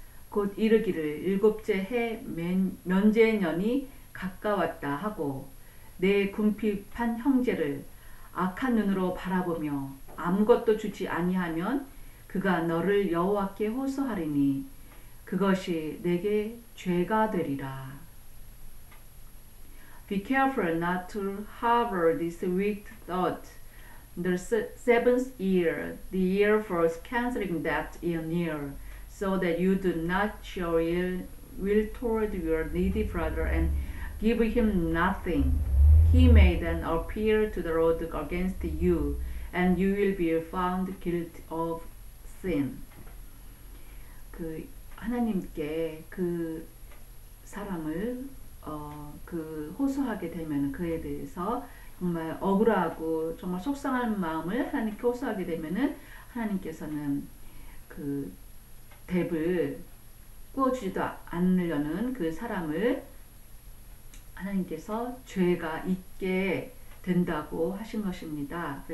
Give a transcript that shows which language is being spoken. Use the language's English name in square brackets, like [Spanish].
[Korean] 곧 이르기를 일곱째 해 면제의 년이 가까웠다 하고 내 궁핍한 형제를 악한 눈으로 바라보며 아무것도 주지 아니하면 그가 너를 여호와께 호소하리니 그것이 내게 죄가 되리라. [English] Be careful not to harbor this wicked thought. The seventh year, the year for canceling debt is near, so that you do not show ill will toward your needy brother and give him nothing. He may then appear to the Lord against you, and you will be found guilty of sin. [Korean] 하나님께 그 사람을 그 호소하게 되면은 그에 대해서 정말 억울하고 정말 속상한 마음을 하나님께 호소하게 되면은 하나님께서는 그 답을 꾸어주지도 않으려는 그 사람을 하나님께서 죄가 있게 된다고 하신 것입니다.